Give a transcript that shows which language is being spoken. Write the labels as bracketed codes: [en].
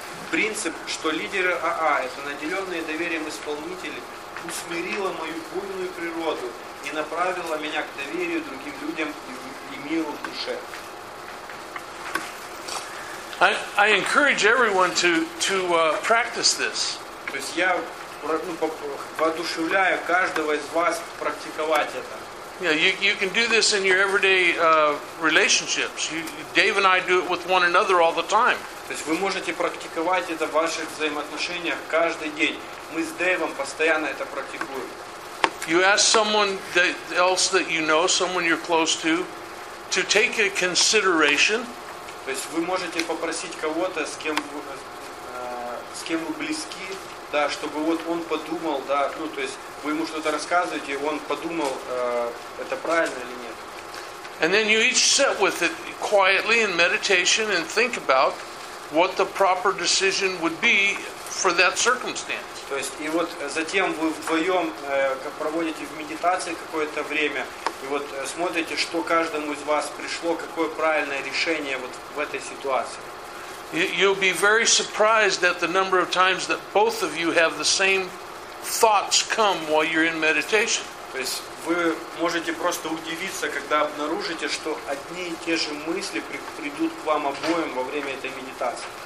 [ru] Принцип, что лидеры АА – это наделенные доверием исполнители, усмирило мою буйную природу и направило меня к доверию другим людям и миру в душе. [en] I encourage everyone to practice this. [ru] То есть я воодушевляю каждого из вас практиковать это. [en] Yeah, you can do this in your everyday relationships. Dave and I do it with one another all the time. [ru] То есть вы можете практиковать это в ваших взаимоотношениях каждый день. Мы с Дэйвом постоянно это практикуем. [en] You ask someone else that you know, someone you're close to take a consideration. [ru] То есть вы можете попросить кого-то, с кем вы близки, да, чтобы вот он подумал, да, ну то есть вы ему что-то рассказываете, он подумал, это правильно или нет. [en] And then you each sit with it quietly in meditation and think about what the proper decision would be for that circumstance. [ru] То есть, и вот затем вы вдвоем проводите в медитации какое-то время, и вот смотрите, что каждому из вас пришло, какое правильное решение вот в этой ситуации. [en] You'll be very surprised at the number of times that both of you have the same thoughts come while you're in meditation. [ru] То есть, вы можете просто удивиться, когда обнаружите, что одни и те же мысли придут к вам обоим во время этой медитации.